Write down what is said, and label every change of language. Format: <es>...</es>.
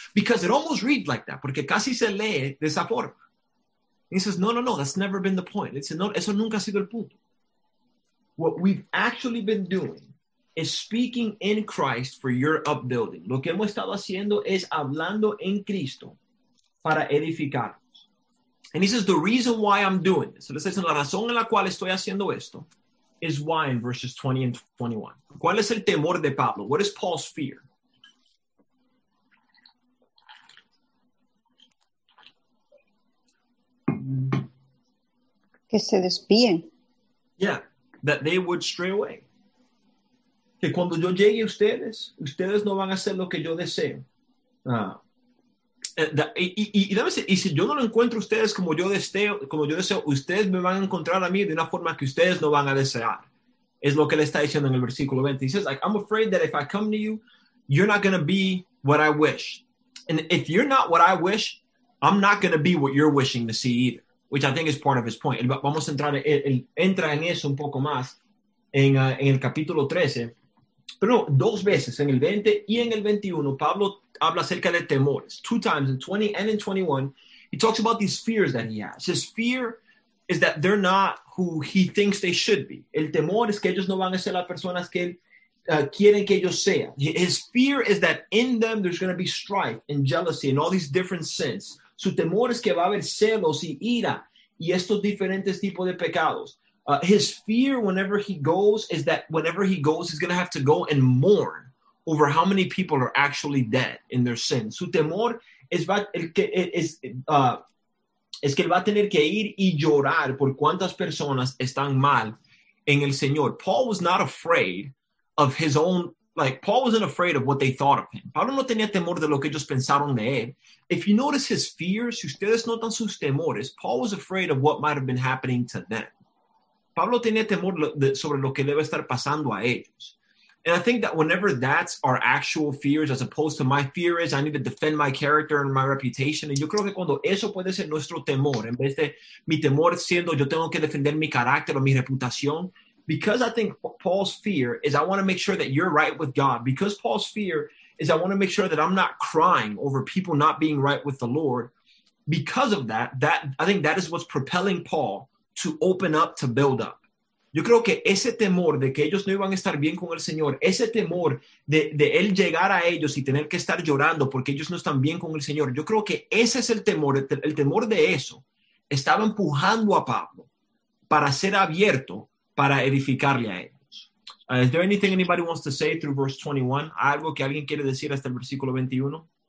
<en>Because it almost reads like that,</en> <es>porque casi se lee de esa forma.</es> <en>He says, no, that's never been the point. It's no,</en> <es>eso nunca ha sido el punto.</es> <en>What we've actually been doing is speaking in Christ for your upbuilding.</en> <es>Lo que hemos estado haciendo es hablando en Cristo para edificarnos.</es> <en>And he says, the reason why I'm doing this,</en> <es>él está diciendo, la razón en la cual estoy haciendo esto,</es> <en>is why in verses 20 and 21.</en> <es>¿Cuál es el temor de Pablo?</es> <en>What is Paul's fear?</en> <es>Que se despíen.</es> <en>Yeah, that they would stray away.</en> <es>Que cuando yo llegue a ustedes, ustedes no van a hacer lo que yo deseo. Y si yo no lo encuentro a ustedes como yo deseo, ustedes me van a encontrar a mí de una forma que ustedes no van a desear. Es lo que le está diciendo en el versículo 20.</es> <en>He says, like, I'm afraid that if I come to you, you're not going to be what I wish. And if you're not what I wish, I'm not going to be what you're wishing to see either, which I think is part of his point.</en> <es>Vamos a entrar, entra en eso un poco más en el capítulo 13. Pero no, dos veces, en el 20 y en el 21, Pablo habla acerca de temores.</es> <en>Two times, in 20 and in 21, he talks about these fears that he has. His fear is that they're not who he thinks they should be.</en> <es>El temor es que ellos no van a ser las personas que él quieren que ellos sean.</es> <en>His fear is that in them there's going to be strife and jealousy and all these different sins.</en> <es>Su temor es que va a haber celos y ira y estos diferentes tipos de pecados.</es> <en>His fear whenever he goes is that whenever he goes, he's going to have to go and mourn over how many people are actually dead in their sins.</en> <es>Su temor es que él va a tener que ir y llorar por cuántas personas están mal en el Señor.</es> <en>Paul was not afraid of his own, like, Paul wasn't afraid of what they thought of him.</en> <es>Pablo no tenía temor de lo que ellos pensaron de él.</es> <en>If you notice his fears,</en> <es>si ustedes notan sus temores,</es> <en>Paul was afraid of what might have been happening to them.</en> <es>Pablo tenía temor sobre lo que debe estar pasando a ellos.</es> <en>And I think that whenever that's our actual fears, as opposed to my fear is I need to defend my character and my reputation.</en> <es>Y yo creo que cuando eso puede ser nuestro temor, en vez de mi temor siendo yo tengo que defender mi carácter o mi reputación.</es> <en>Because I think Paul's fear is I want to make sure that you're right with God. Because Paul's fear is I want to make sure that I'm not crying over people not being right with the Lord. Because of that, I think that is what's propelling Paul to open up, to build up.</en> <es>Yo creo que ese temor de que ellos no iban a estar bien con el Señor, ese temor de él llegar a ellos y tener que estar llorando porque ellos no están bien con el Señor, yo creo que ese es el temor de eso. Estaba empujando a Pablo para ser abierto, para edificarle a ellos.</es> <en>Is there anything anybody wants to say through verse 21?</en> <es>¿Algo que alguien quiere decir hasta el versículo 21?</es>